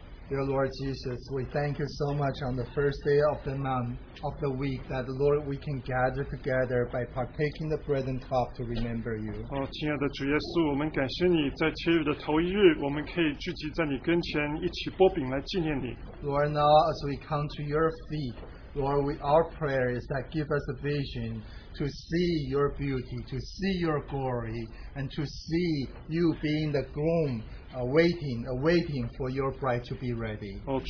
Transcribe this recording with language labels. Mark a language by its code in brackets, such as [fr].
[en] Dear Lord Jesus, we thank you so much on the first day of the month, of the week, that, Lord, we can gather together by partaking the bread and cup to remember you. [zh] Oh, 亲爱的主耶稣, 我们感谢你, 在七日的头一日, 我们可以聚集在你跟前一起擘饼来纪念你。 [en] Lord, now as we come to your feet, Lord, we, our prayer is that give us a vision to see your beauty, to see your glory, and to see you being the groom, awaiting for your bride to be ready.